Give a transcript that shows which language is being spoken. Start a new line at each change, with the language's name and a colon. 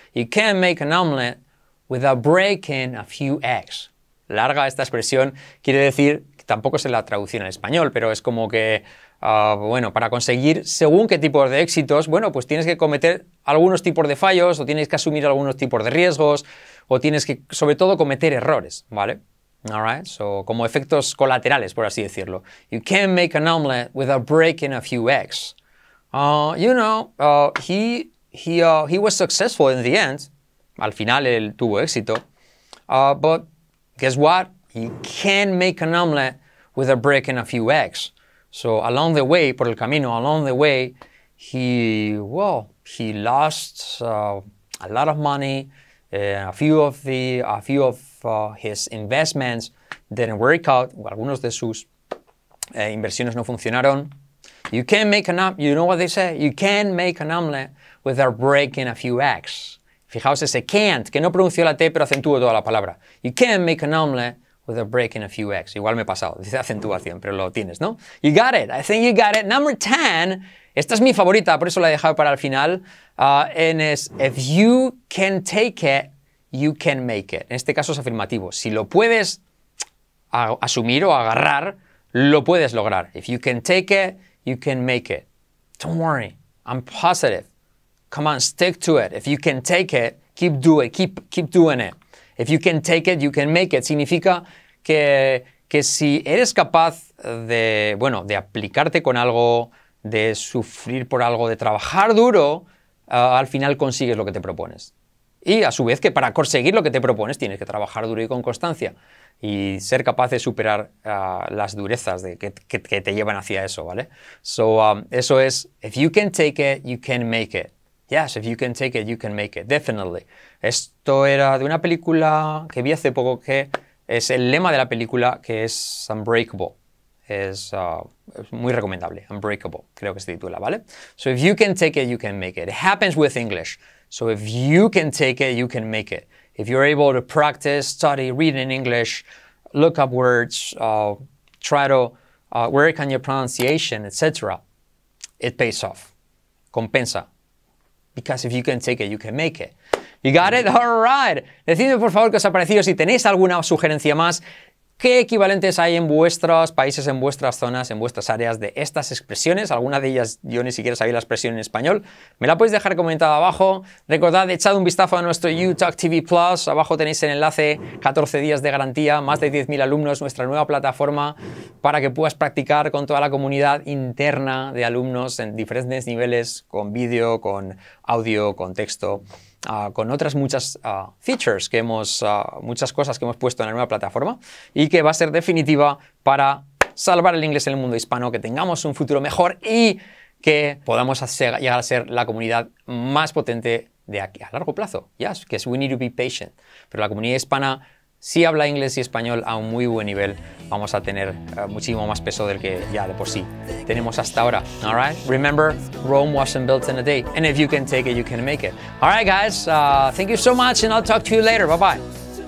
English: You can't make an omelette without breaking a few eggs.
Spanish: Larga esta expresión. Quiere decir, tampoco sé la traducción al español, pero es como que, bueno, para conseguir según qué tipos de éxitos, bueno, pues tienes que cometer algunos tipos de fallos o tienes que asumir algunos tipos de riesgos o tienes que, sobre todo, cometer errores, ¿vale?
English: All right, so
Spanish: como efectos colaterales, por así decirlo.
English: You can't make an omelet without breaking a few eggs. You know, he was successful in the end.
Spanish: Al final él tuvo éxito.
English: But guess what? You can't make an omelet without breaking a few eggs. So along the way,
Spanish: por el camino,
English: along the way, he lost a lot of money. His investments didn't work out.
Spanish: Algunos de sus inversiones no funcionaron.
English: You can't make an omelet. You know what they say? You can't make an omelet without breaking a few eggs.
Spanish: Fijaos ese can't, que no pronunció la T, pero acentúo toda la palabra.
English: You can't make an omelet without breaking a few eggs.
Spanish: Igual me he pasado. Dice acentuación, pero lo tienes, ¿no?
English: You got it. I think you got it. Number 10.
Spanish: Esta es mi favorita, por eso la he dejado para el final. And es,
English: if you can take it, you can make it.
Spanish: En este caso es afirmativo. Si lo puedes asumir o agarrar, lo puedes lograr.
English: If you can take it, you can make it. Don't worry. I'm positive. Come on, stick to it. If you can take it, keep do it. Keep doing it. If you can take it, you can make it.
Spanish: Significa que si eres capaz de, bueno, de aplicarte con algo, de sufrir por algo, de trabajar duro, al final consigues lo que te propones. Y a su vez que para conseguir lo que te propones tienes que trabajar duro y con constancia y ser capaz de superar las durezas de que te llevan hacia eso, ¿vale?
English: So,
Spanish: eso es,
English: if you can take it, you can make it. Yes, if you can take it, you can make it. Definitely.
Spanish: Esto era de una película que vi hace poco que es el lema de la película que es Unbreakable. Es muy recomendable. Unbreakable, creo que se titula, ¿vale?
English: So if you can take it, you can make it. It happens with English. So if you can take it, you can make it. If you're able to practice, study, read in English, look up words, try to work on your pronunciation, etc., it pays off. Compensa. Because if you can take it, you can make it. You got it? All right.
Spanish: Decidme, por favor, qué os ha parecido. Si tenéis alguna sugerencia más, ¿qué equivalentes hay en vuestros países, en vuestras zonas, en vuestras áreas de estas expresiones? Alguna de ellas yo ni siquiera sabía la expresión en español. Me la podéis dejar comentada abajo. Recordad, echad un vistazo a nuestro YouTalk TV Plus. Abajo tenéis el enlace, 14 días de garantía, más de 10.000 alumnos, nuestra nueva plataforma para que puedas practicar con toda la comunidad interna de alumnos en diferentes niveles, con vídeo, con audio, con texto. Con otras muchas features que hemos, muchas cosas que hemos puesto en la nueva plataforma y que va a ser definitiva para salvar el inglés en el mundo hispano, que tengamos un futuro mejor y que podamos llegar a ser la comunidad más potente de aquí a largo plazo.
English: Yes, because we need to be patient.
Spanish: Pero la comunidad hispana sí habla inglés y español a un muy buen nivel. Vamos a tener muchísimo más peso del que ya de por sí tenemos hasta ahora.
English: All right? Remember, Rome wasn't built in a day. And if you can take it, you can make it. All right, guys. Thank you so much and I'll talk to you later. Bye-bye.